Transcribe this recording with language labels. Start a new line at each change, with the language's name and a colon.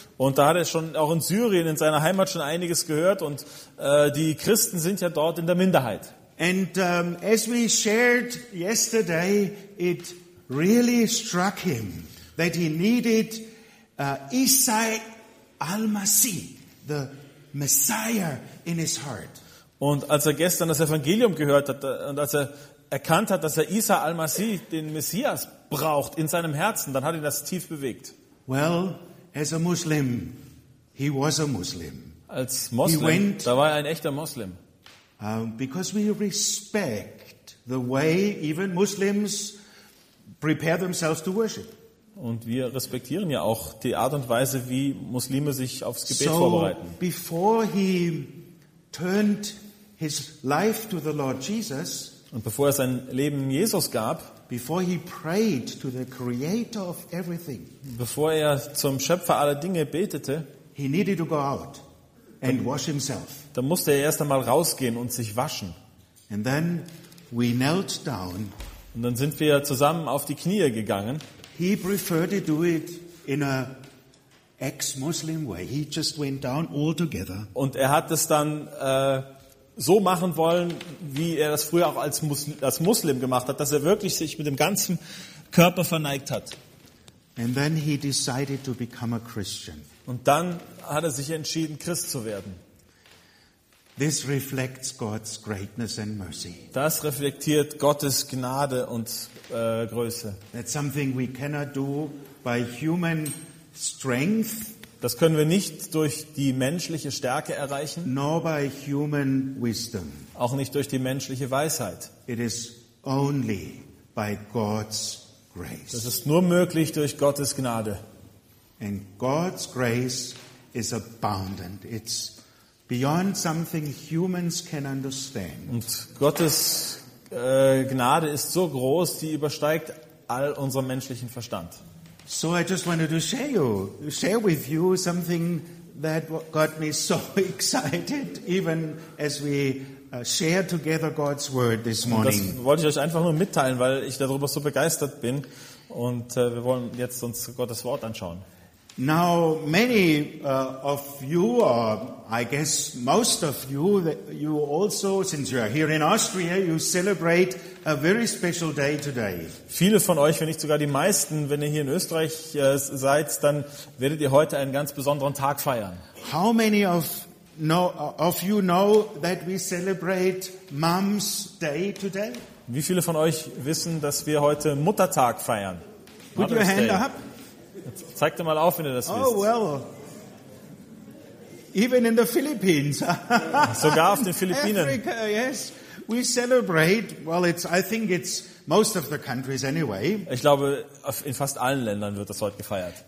German: Und da hat er schon auch in Syrien in seiner Heimat schon einiges gehört und die Christen sind ja dort in der Minderheit.
English: And as we shared yesterday, it really struck him that he needed Isai al-Masih, the Messiah, in his heart.
German: Und als er gestern das Evangelium gehört hat und als er erkannt hat, dass er Isa al-Masih, den Messias, braucht in seinem Herzen, dann hat ihn das tief bewegt.
English: Well, as a Muslim, he was a Muslim.
German: Als Moslem,
English: he went,
German: da war er ein echter Moslem.
English: Because we respect the way even Muslims prepare themselves to worship.
German: Und wir respektieren ja auch die Art und Weise, wie Muslime sich aufs Gebet so vorbereiten.
English: So, before he turned his life to the Lord Jesus,
German: Und bevor er sein Leben Jesus gab,
English: before he prayed to the creator of everything,
German: bevor er zum Schöpfer aller Dinge betete,
English: he needed to go out and wash himself.
German: Da musste er erst einmal rausgehen und sich waschen.
English: And then we knelt down.
German: Und dann sind wir zusammen auf die Knie gegangen.
English: He preferred to do it in a ex-Muslim way. He just went down all together.
German: Und er hat es dann so machen wollen, wie er das früher auch als Muslim gemacht hat, dass er wirklich sich mit dem ganzen Körper verneigt hat.
English: And then he decided to become a Christian.
German: Und dann hat er sich entschieden, Christ zu werden.
English: This reflects God's greatness and mercy.
German: Das reflektiert Gottes Gnade und Größe.
English: That's something we cannot do by human strength.
German: Das können wir nicht durch die menschliche Stärke erreichen.
English: Nor by human wisdom.
German: Auch nicht durch die menschliche Weisheit.
English: It is only by God's grace.
German: Das ist nur möglich durch Gottes Gnade.
English: And God's grace is abundant. It's beyond something humans can understand.
German: Und Gottes Gnade ist so groß, die übersteigt all unseren menschlichen Verstand.
English: So I just wanted to share with you something that got me so excited, even as we share together God's word this morning.
German: Das wollte ich euch einfach nur mitteilen, weil ich darüber so begeistert bin. Und wir wollen jetzt uns Gottes Wort anschauen.
English: Now, many of you, or I guess most of you, that you also, since you are here in Austria, you celebrate a very special day today.
German: Viele von euch, wenn nicht sogar die meisten, wenn ihr hier in Österreich seid, dann werdet ihr heute einen ganz besonderen Tag feiern.
English: How many of you know that we celebrate Mom's Day today?
German: Wie viele von euch wissen, dass wir heute Muttertag feiern?
English: Put your hand up.
German: Zeig dir mal auf, wenn du das
English: willst. Oh, well. Even in the Philippines.
German: Sogar auf den Philippinen.
English: Africa, yes. We celebrate, well, I think it's most of the countries anyway.
German: Ich glaube, in fast allen Ländern wird das heute gefeiert.